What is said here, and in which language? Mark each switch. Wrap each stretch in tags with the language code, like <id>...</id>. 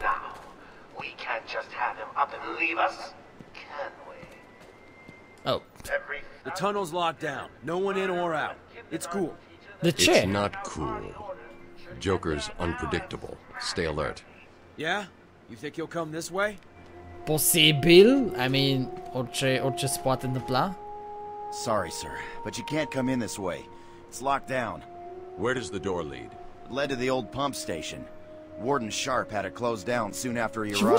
<en>Now, we can't just have him up and leave us, can we? Oh. The tunnel's locked down. No one in or out. It's cool. The chair. It's not cool. Joker's unpredictable. Stay alert. Yeah? You think he'll come this way? Possible. I mean,</en> <ro>orice se poate întâmpla.</ro> <en>Sorry, sir, but you can't come in this way. It's locked down. Where does the door lead? It led to the old pump station. Warden Sharp had it closed down soon after he arrived.</en>